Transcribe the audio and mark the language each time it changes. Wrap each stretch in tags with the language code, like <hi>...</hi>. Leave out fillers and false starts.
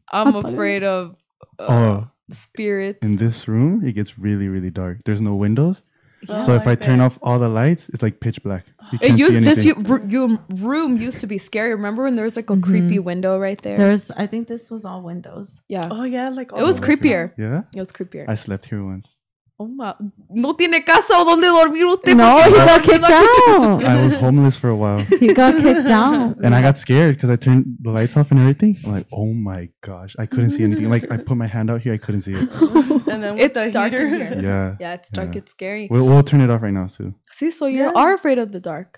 <en>I'm afraid of spirits. In this room, it gets really, really dark. There's no windows. Yeah, so if I turn off all the lights, it's like pitch black. This room used to be scary. Remember when there was like a creepy window right there? I think this was all windows. Yeah. Oh, yeah. Like all it was creepier. Down. Yeah? It was creepier. I slept here once.</en> <es>No tiene casa donde dormir usted.</es> <en>No, he got kicked out. I was homeless for a while. He got kicked out. And I got scared because I turned the lights off and everything. I'm like, oh my gosh. I couldn't see anything. Like, I put my hand out here, I couldn't see it. And then with it's the dark heater. Yeah. Yeah, it's dark. Yeah. It's scary. We'll turn it off right now, too. See, so you are afraid of the dark.</en>